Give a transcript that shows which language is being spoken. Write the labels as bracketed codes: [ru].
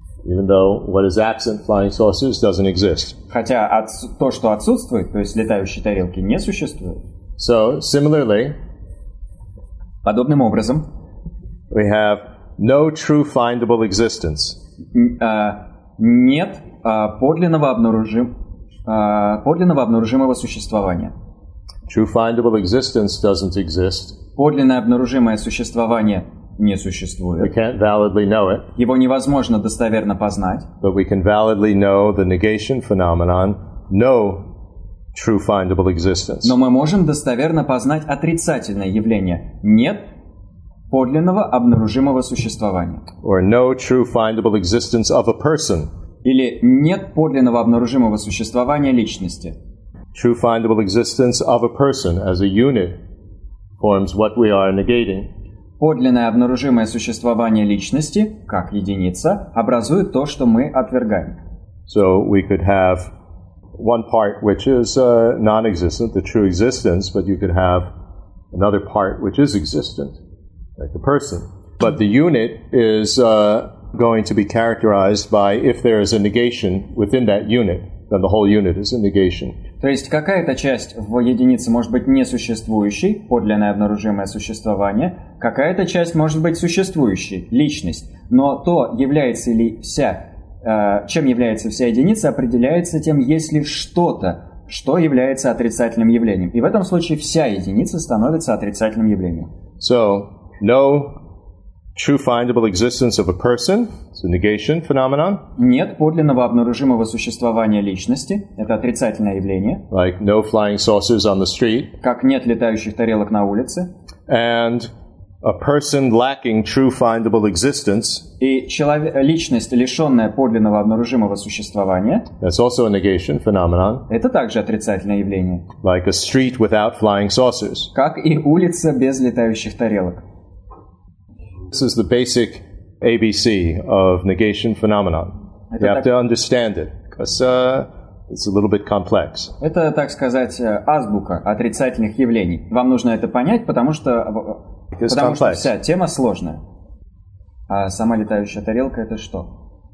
[en] Even though what is absent, flying saucers, doesn't exist. [ru] Хотя то, что отсутствует, то есть летающие тарелки, не существует. [en] So, similarly, [ru] подобным образом, [en] we have no true findable existence. [ru] Нет подлинного обнаружимого существования. [en] True findable existence doesn't exist. [ru] Подлинное обнаружимое существование не существует. [en] We can't validly know it. [ru] Его невозможно достоверно познать. [en] But we can validly know the negation phenomenon. No true findable existence. [ru] Но мы можем достоверно познать отрицательное явление. Нет подлинного обнаружимого существования. [en] Or no true findable existence of a person. [ru] Или нет подлинного обнаружимого существования личности. [en] True findable existence of a person as a unit forms what we are negating. [ru] Подлинное обнаружимое существование личности как единица образует то, что мы отвергаем. [en] So we could have one part which is non-existent, the true existence, but you could have another part which is existent. Like a person. But the unit is going to be characterized by if there is a negation within that unit, then the whole unit is a negation. [ru] То есть какая-то часть в единице может быть несуществующей, подлинное обнаружимое существование, какая-то часть может быть существующей, личность. Но то, является ли вся, чем является вся единица, определяется тем, есть ли что-то, что является отрицательным явлением. И в этом случае вся единица становится отрицательным явлением. [en] So, no true findable existence of a person. It's a negation phenomenon. [ru] Нет подлинного обнаружимого существования личности. Это отрицательное явление. [en] Like no flying saucers on the street. [ru] Как нет летающих тарелок на улице. [en] And a person lacking true findable existence. [ru] И личность, лишенная подлинного обнаружимого существования. [en] That's also a negation phenomenon. [ru] Это также отрицательное явление. [en] Like a street without flying saucers. [ru] Как и улица без летающих тарелок. [en] This is the basic ABC of negation phenomenon. You have to understand it, because it's a little bit complex. [ru] Это, так сказать, азбука отрицательных явлений. Вам нужно это понять, потому что вся тема сложная. А сама летающая тарелка — это что?